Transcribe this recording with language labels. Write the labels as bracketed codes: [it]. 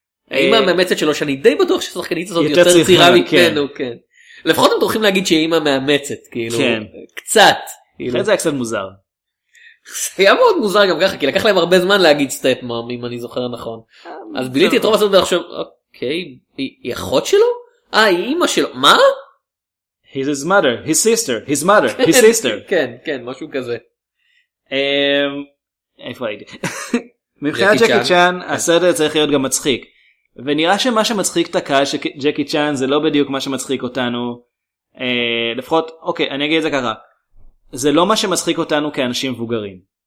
[he] האמא המאמצת שלו, שאני די בטוח ששחקנית הזאת יותר צעירה מפנו, כן. לפחות הם תורכים להגיד שהאמא מאמצת, כאילו, קצת. זה היה קצת מוזר. זה היה מאוד מוזר גם ככה, כי לקח להם הרבה זמן להגיד סטייפ מאם, אם אני זוכר נכון. אז ביליתי את רוב הסרט ולחשוב, אוקיי, היא אחות שלו? היא אמא שלו, מה? [en] He's his mother, his sister, his mother, his sister. [he] כן, כן, משהו כזה. איפה הייתי? מבחינת ג'קי צ'אן, הסרט הזה צריך להיות גם מצחיק. ונראה שמה שמצחיק את הקהל של ג'קי צ'אן זה לא בדיוק מה שמצחיק אותנו. לפחות, אוקיי, אני אגיד את זה ככה. זה לא מה שמצחיק אותנו כאנשים מבוגרים.